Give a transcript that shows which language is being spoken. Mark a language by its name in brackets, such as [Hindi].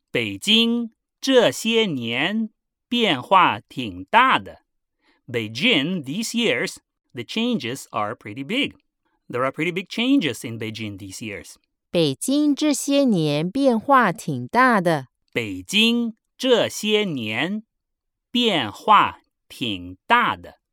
[Chinese] 北京这些年变化挺大的。 [English] Beijing these years, the changes are pretty big. There are pretty big changes in Beijing these years. [Chinese] 北京这些年变化挺大的。北京这些年变化挺大的。